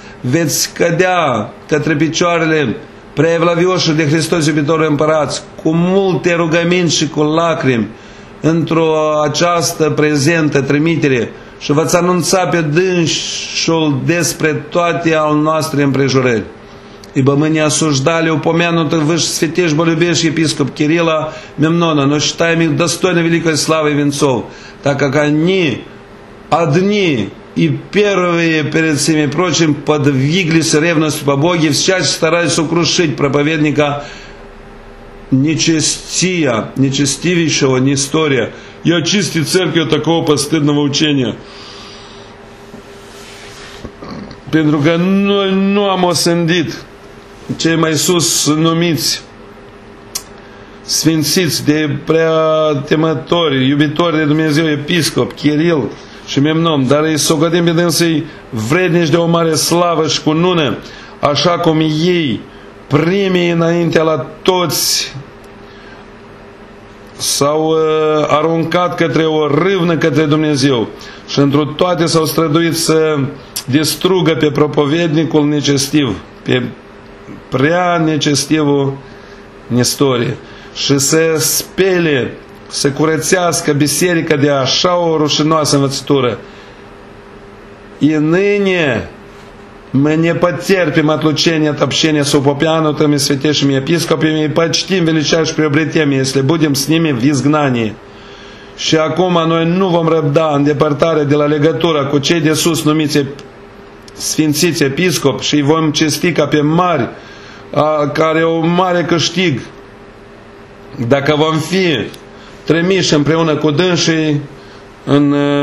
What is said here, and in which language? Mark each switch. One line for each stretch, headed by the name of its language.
Romanian: Veți cădea către picioarele preevlavioșilor de Hristos iubitorul împărați cu multe rugăminți și cu lacrimi într-o această prezentă trimitere și v-ați anunța pe dânsul despre toate al noastre împrejurări.
Russian: Ибо мы не осуждали упомянутых выше святейшего любящий епископ Кирилла Мемнона, но считаем их достойны великой славы и венцов, так как они одни и первые перед всеми прочим подвиглись ревностью по Боге, всячески стараясь сокрушить проповедника нечестия, нечестивейшего Нестория, и очистить церковь от такого постыдного учения. Потому что мы не осудим
Romanian: cei mai sus numiți sfințiți de prea temători, iubitori de Dumnezeu, episcop, Kiril și Memnon, dar îi socotim pe dânsii vrednici de o mare slavă și cunună, așa cum ei primii înaintea la toți s-au aruncat către o râvnă către Dumnezeu și întru toate s-au străduit să distrugă pe propovednicul necestiv, pe prea necestivul Nestorie, și se spele să curățească biserica de așa o rușinoasă învățătură.
Russian: И ныне мы не потерпим отлучения от общения с упопянутыми святейшими епископами и почтим величайшие приобретения, если будем с ними в изгнании.
Romanian: Și acum noi nu vom răbda îndepărtarea de la legătura cu cei de sus numiți sfințiți episcop și îi vom cesti ca pe mari, care au mare câștig. Dacă vom fi trimiși împreună cu dânsii în...